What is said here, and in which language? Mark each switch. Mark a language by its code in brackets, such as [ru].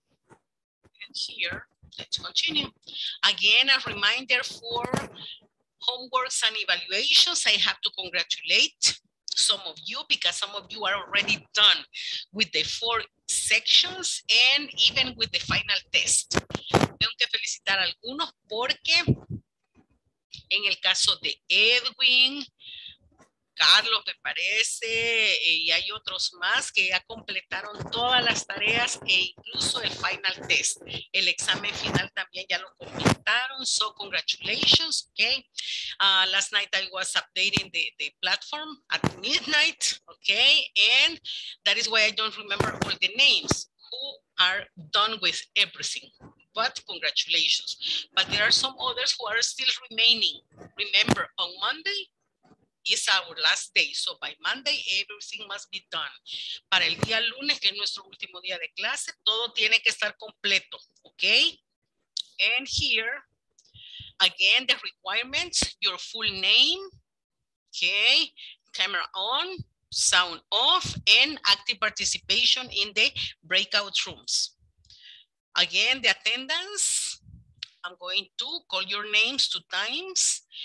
[en] And here, let's continue. Again, a reminder for homeworks and evaluations. I have to congratulate some of you because some of you are already done with the four sections and even with the final test. [es] Tengo que felicitar a algunos porque en el caso de Edwin, Carlos, me parece, y hay otros más que ya completaron todas las tareas e incluso el final test. El examen final también ya lo completaron. So, congratulations, okay? [en] Last night I was updating the platform at midnight, okay? And that is why I don't remember all the names who are done with everything. But congratulations. But there are some others who are still remaining. Remember, on Monday is our last day. So by Monday, everything must be done. Para el día lunes, que es nuestro último día de clase, todo tiene que estar completo, okay? And here, again, the requirements, your full name, okay? Camera on, sound off, and active participation in the breakout rooms. Again, the attendance, I'm going to call your names two times.